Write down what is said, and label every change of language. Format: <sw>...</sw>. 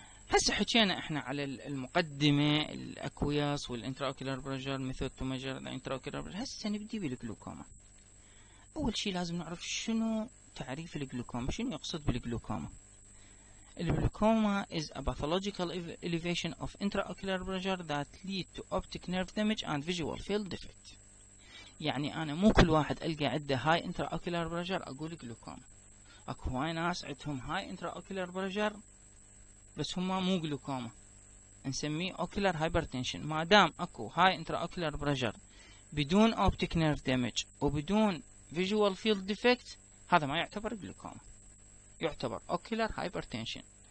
<ar>هسه حكينا احنا على المقدمه الاكوياس والانتراوكيولار بريشر</ar> <en>Method to measure الانتراوكيولار pressure.</en> <ar>هسه نبدي بالجلوكوما. اول شيء لازم نعرف شنو تعريف الجلوكوما، شنو يقصد بالجلوكوما.</ar> <en>الجلوكوما is a pathological elevation of intraocular pressure that lead to optic nerve damage and visual field defect.</en> <ar>يعني انا مو كل واحد القى عنده هاي intraocular pressure اقول جلوكوما. اكو هواي ناس عندهم هاي intraocular pressure بس هم مو جلوكوما، نسميه ocular hypertension. ما دام اكو هاي intraocular pressure بدون optic nerve damage وبدون visual field defect هذا ما يعتبر جلوكوما، يعتبر اوكيلر هايبرتنشن.</ar>